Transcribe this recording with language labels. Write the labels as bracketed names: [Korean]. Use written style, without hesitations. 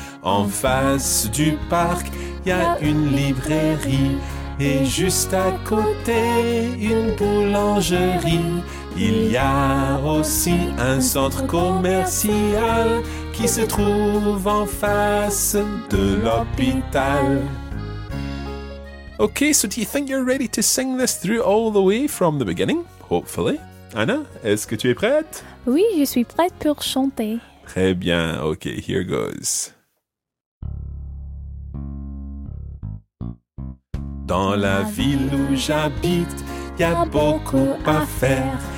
[French] En face du parc, il y a une librairie et juste à côté, une boulangerie. Il y a aussi un centre commercial qui se trouve en face de l'hôpital. [English] Okay, so do you think you're ready to sing this through all the way from the beginning? Hopefully. [French] Anna, est-ce que tu es prête? Oui, je suis prête pour chanter. Très bien, [English] okay, here goes. [French] Dans la ville où j'habite, il y a beaucoup à faire.